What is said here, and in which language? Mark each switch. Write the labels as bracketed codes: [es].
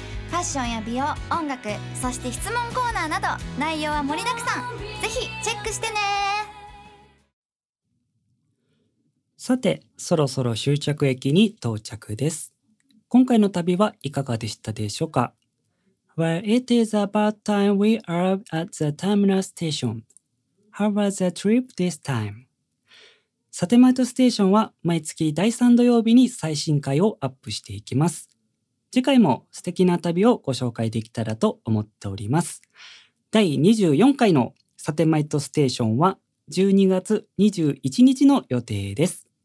[ja] ファッションや美容、音楽、そして質問コーナーなど内容は盛りだくさん、ぜひチェックしてね。さて、そろそろ終着駅に到着です。今回の旅はいかがでしたでしょうか。 [en] Well, it is about time we arrive at the terminal station. How was the trip this time? [ja] サテマイトステーションは毎月第3土曜日に最新回をアップしていきます。次回も素敵な旅をご紹介できたらと思っております。第24回のサテマイトステーションは12月21日の予定です。